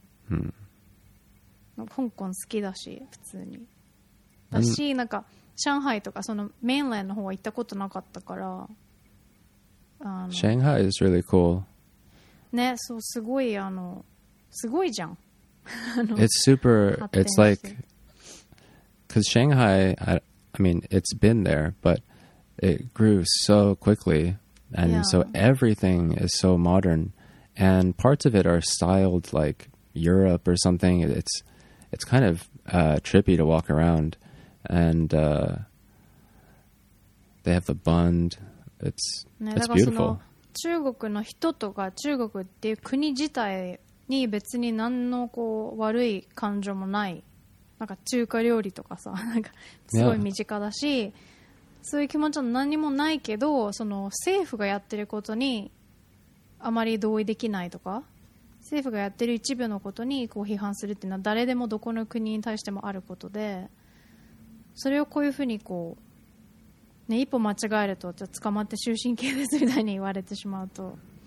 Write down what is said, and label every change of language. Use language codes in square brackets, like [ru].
[ja] うん、香港好きだし普通にだし、なんか上海とかそのメインランドの方は行ったことなかったから、 [en] 上海 is really cool [ja] ね、そうすごい、すごいじゃん [en] It's super, it's like because Shanghai, I mean it's been there but it grew so quickly, and yeah. so everything is so modern, and parts of it are styled like Europe or something. It's kind of trippy to walk around, and they have the Bund. It's ね、it's beautiful. [ja] 中国の人とか中国っていう国自体に別に何のこう悪い感情もない。なんか中華料理とかさ、なんかすごい身近だし。 [en] Yeah. [ja] そういう気持ちは何もないけど、その政府がやってることにあまり同意できないとか、政府がやってる一部のことにこう批判するっていうのは誰でもどこの国に対してもあることで、それをこういうふうにこう、ね、一歩間違えるとじゃ捕まって終身刑ですみたいに言われてしまうと、